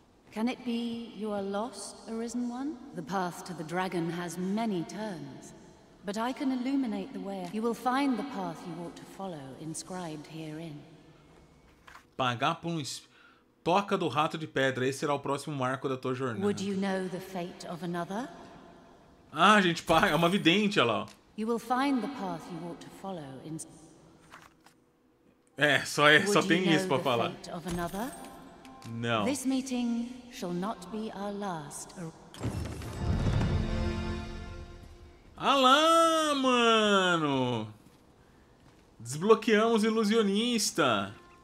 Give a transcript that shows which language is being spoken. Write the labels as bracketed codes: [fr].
[en] Can it be you are lost, arisen one? The path to the dragon has many turns, but I can illuminate the way. You will find the path you ought to follow inscribed herein. [pt] Pagar por um Toca do Rato de Pedra, esse será o próximo marco da tua jornada. [en] Would you know the fate of another? [pt] Ah, gente, pá, é uma vidente, olha lá. [en] You will find the path you ought to follow in... [pt] É, só, é, só tem isso pra falar. Would you know the fate of another? Não. [en] This meeting shall not be our last. [pt] Ah lá, mano! Desbloqueamos ilusionista.